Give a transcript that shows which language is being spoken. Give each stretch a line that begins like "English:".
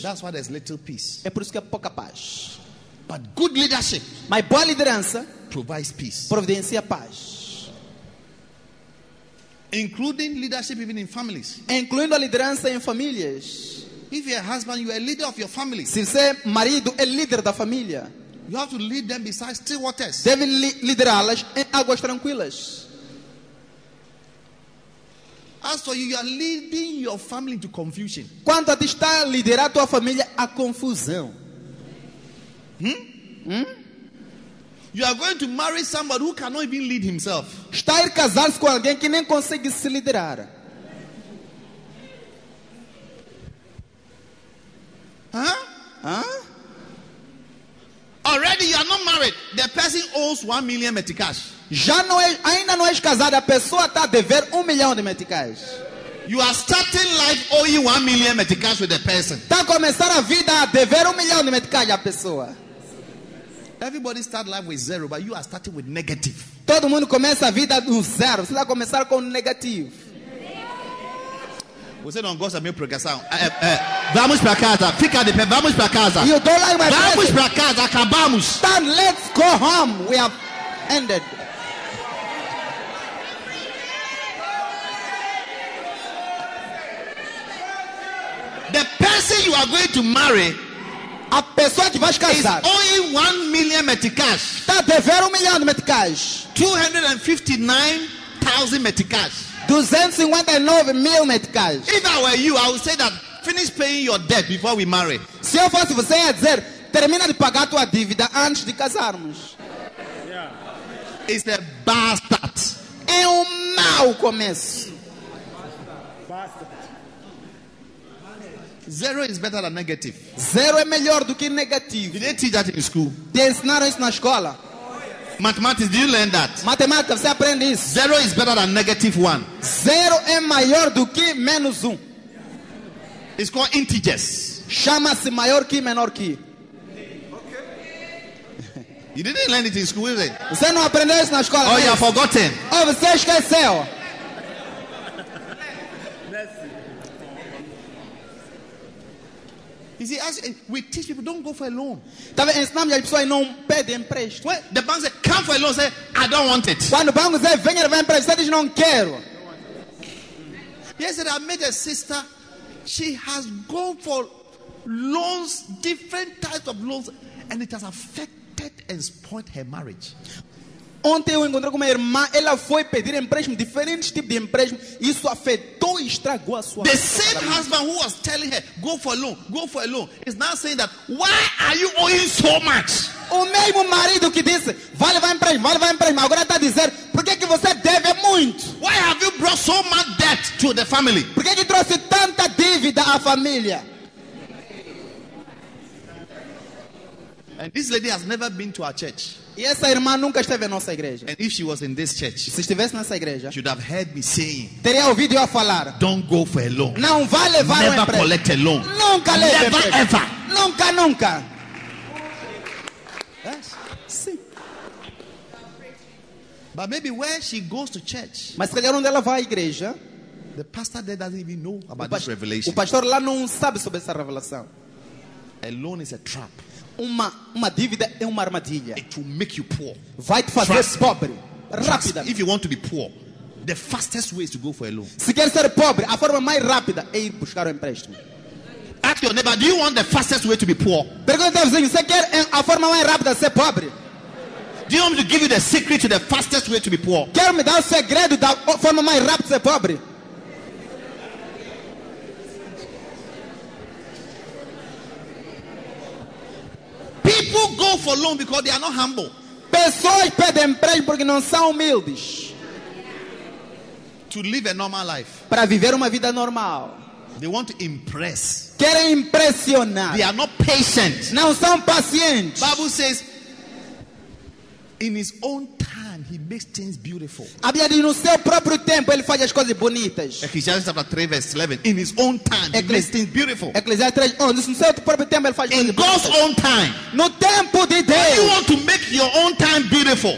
English: That's why there's little peace.
Portuguese: É por isso que há pouca paz.
English: But good leadership,
Portuguese: my boa liderança,
English: provides peace.
Portuguese: Providencia paz.
English: Including leadership even in families.
Portuguese: Incluindo a liderança em famílias.
English: If you're a husband, you are a leader of your family.
Portuguese: Se você é marido, é líder da família.
English: You have to lead them beside still waters.
Portuguese: Deve liderá-las em águas tranquilas.
English: As for you, you are leading your family to confusion.
Portuguese: Quando você está a liderar a tua família à confusão.
English: You are going to marry somebody who cannot even lead himself.
Portuguese: Está a ir casar-se com alguém que nem consegue se liderar.
English: Already you are not married. The person owes 1 million meticais.
Portuguese: Já não é, ainda não és casado. A pessoa está a dever 1 milhão de meticais.
English: You are starting life owing 1 million meticais with the person.
Portuguese: Está a começar a vida a dever 1 milhão de meticais à pessoa.
English: Everybody start life with zero, but you are starting with negative.
Portuguese: Todo mundo começa a vida do zero. Você está a começar com negativo. Você não gosta da minha progressão. Vamos para casa. Fica de pé. Vamos para casa.
English: You don't like my
Portuguese: vamos para casa. Acabamos.
English: Stand. Let's go home. We have ended. The person you are going to marry,
Portuguese: a pessoa que vai casar,
English: is owing 1 million meticais.
Portuguese: Está a dever 1 milhão de meticais.
English: 259,000 meticais.
Portuguese: 259 mil meticais.
English: If I were you, I would say that finish paying your debt before we marry.
Portuguese: Se eu fosse você, ia dizer, termina de pagar tua dívida antes de casarmos.
English: Yeah. It's a bastard.
Portuguese: É mau começo.
English: Bastard. Zero is better than negative.
Portuguese: Zero é melhor do que negativo.
English: Did they teach that in school?
Portuguese: Te ensinaram isso na escola.
English: Mathematics, do you learn that?
Portuguese: Matemática, você aprende isso.
English: Zero is better than negative one.
Portuguese: Zero é maior do que menos um.
English: It's called integers.
Portuguese: Chama-se maior que menor que.
English: Okay. You didn't learn it in school, did you?
Portuguese: Você não aprendeu isso na escola.
English: Oh, you have forgotten.
Portuguese: Oh, você esqueceu.
French: Merci.
English: You see, as we teach people, don't go for a loan.
Portuguese: Tava ensinando as pessoas a não pedir empréstimo.
English: When the bank says, come for a loan, say, I don't want it.
Portuguese: Quando o banco diz, venha levar empréstimo, você diz, não quero.
English: Yesterday, I met a sister. She has gone for loans, different types of loans, and it has affected and spoiled her marriage.
Portuguese: Ontem eu encontrei com uma irmã, ela foi pedir empréstimo, diferentes tipos de empréstimo, isso afetou e estragou a sua vida.
English: The same husband who was telling her, go for a loan, is now saying that, why are you owing so much?
Portuguese: O mesmo marido que disse, vai levar empréstimo, vai levar empréstimo, agora está dizendo, por que que você deve muito?
English: Why have you brought so much debt to the family?
Portuguese: Por que que trouxe tanta dívida à família?
English: And this lady has never been to our church.
Portuguese: E essa irmã nunca esteve na nossa igreja.
English: And if she was in this church,
Portuguese: se estivesse nessa igreja,
English: she'd have heard me saying,
Portuguese: teria ouvido eu a falar,
English: don't go for a loan.
Portuguese: Não vá levar
English: never um collect a loan.
Portuguese: Nunca
English: never
Portuguese: leve
English: ever. Ever.
Portuguese: Nunca, nunca.
English: Yes.
Portuguese: Sim.
English: But maybe where she goes to church,
Portuguese: mas se calhar onde ela vai à igreja,
English: the pastor there doesn't even know about this revelation.
Portuguese: O pastor lá não sabe sobre essa revelação.
English: A loan is a trap.
Portuguese: Uma dívida é uma armadilha.
English: It will make you poor.
Portuguese: Vai te fazer pobre. Rápida.
English: If you want to be poor, the fastest way is to go for a loan.
Portuguese: Se quer ser pobre, a forma mais rápida é ir buscar um empréstimo.
English: Ask your neighbor, do you want the fastest way to be poor?
Portuguese: Pergunta ao vizinho, você quer a forma mais rápida ser pobre?
English: Do you want me to give you the secret to the fastest way to be poor?
Portuguese: Quer me dar o segredo da forma mais rápida ser pobre?
English: People go for loan because they are not humble.
Portuguese: Pessoas pedem empréstimo porque não são humildes.
English: To live a normal life.
Portuguese: Para viver uma vida normal.
English: They want to impress.
Portuguese: Querem impressionar.
English: They are not patient.
Portuguese: Não são pacientes.
English: Bible says, in his own time, he makes things beautiful.
Portuguese: A Bíblia diz, no seu próprio tempo, ele faz as coisas bonitas.
English: Ecclesiastes chapter 3, verse 11. In his own time, he makes things beautiful.
Portuguese: Ecclesiastes 3, 11. No seu próprio tempo, ele faz as coisas bonitas.
English: In God's own time.
Portuguese: No tempo de Deus.
English: You want to make your own time beautiful.